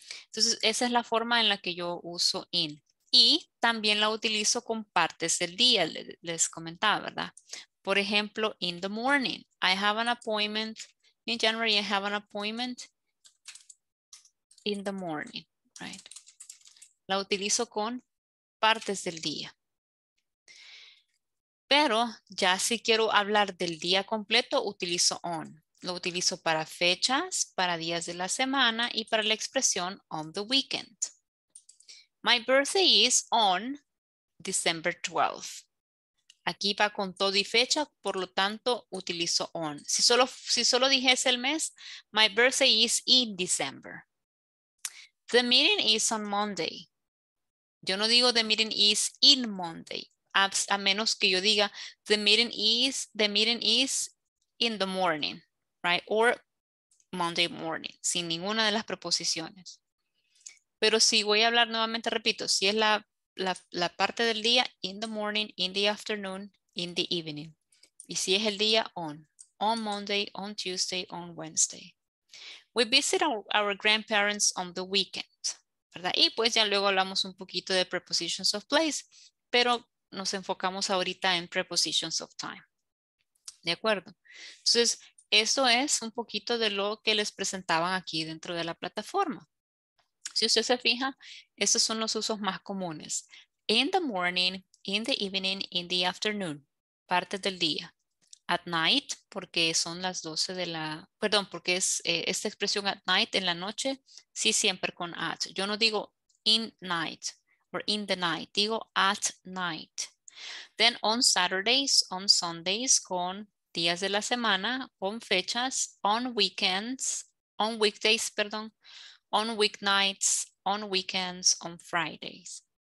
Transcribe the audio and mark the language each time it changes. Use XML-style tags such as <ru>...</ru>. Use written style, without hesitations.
<es>Entonces, esa es la forma en la que yo uso in. Y también la utilizo con partes del día, les comentaba, ¿verdad?</es> <en>Por ejemplo, in the morning, I have an appointment. In January, I have an appointment in the morning, right?</en> <es>La utilizo con partes del día. Pero ya si quiero hablar del día completo, utilizo on. Lo utilizo para fechas, para días de la semana y para la expresión on the weekend.</es> <en>My birthday is on December 12th.</en> <es>Aquí va con todo y fecha, por lo tanto, utilizo on. Si solo dijese el mes,</es> <en>my birthday is in December. The meeting is on Monday.</en> <es>Yo no digo</es> <en>the meeting is in Monday.</en> <es>A menos que yo diga</es> <en>the meeting is in the morning, right? Or Monday morning,</en> <es>sin ninguna de las preposiciones. Pero si voy a hablar nuevamente, repito, si es la parte del día,</es> <en>in the morning, in the afternoon, in the evening.</en> <es>Y si es el día,</es> <en>on Monday, on Tuesday, on Wednesday. We visit our grandparents on the weekend, ¿verdad?</en> <es>Y pues ya luego hablamos un poquito de prepositions of place, pero nos enfocamos ahorita en prepositions of time. ¿De acuerdo? Entonces, eso es un poquito de lo que les presentaban aquí dentro de la plataforma. Si usted se fija, estos son los usos más comunes.</es> <en>In the morning, in the evening, in the afternoon.</en> <es>Partes del día. At night, porque son las 12 de la... Perdón, porque es esta expresión at night, en la noche, sí siempre con at. Yo no digo</es> <en>in night. Or in the night,</en> <es>digo</es> <en>at night. Then on Saturdays, on Sundays,</en> <es>con días de la semana, con fechas,</es> <en>on weekends, on weekdays, perdón, on weeknights, on weekends, on Fridays.</en>